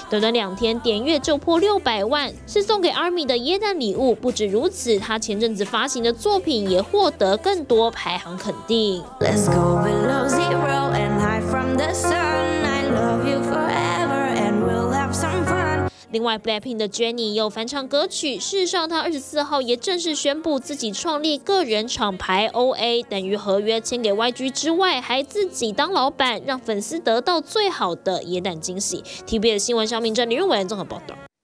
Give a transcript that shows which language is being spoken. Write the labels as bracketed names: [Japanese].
[Chinese] 短短2天，点阅就破600万，是送给 ARMY 的耶诞礼物。不止如此，他前阵子发行的作品也获得更多排行肯定。 [English] Let's go below zero and hide from the sun. I love you forever and we'll have some fun. [Chinese] 另外 ，BLACKPINK 的 Jennie 又翻唱歌曲。事实上，她24号也正式宣布自己创立个人厂牌 OA， 等于合约签给 YG 之外，还自己当老板，让粉丝得到最好的耶诞惊喜。TVBS 新闻，萧明正、李润文综合报道。